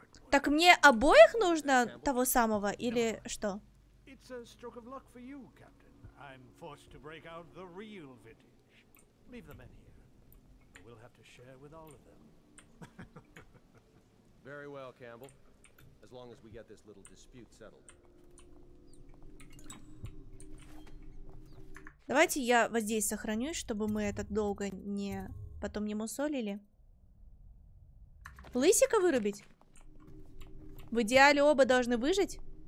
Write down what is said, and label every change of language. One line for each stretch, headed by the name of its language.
Russian: Так мне обоих нужно того самого или что?
English: It's a stroke of luck for you, Captain. I'm forced to break out the real vintage. Leave the men here. We'll have to share with all of them. Very well, Campbell. As long as we get this little dispute settled.
Russian: Давайте я вот здесь сохранюсь, чтобы мы этот долго не потом не мусолили. Лысика вырубить? В идеале оба должны выжить.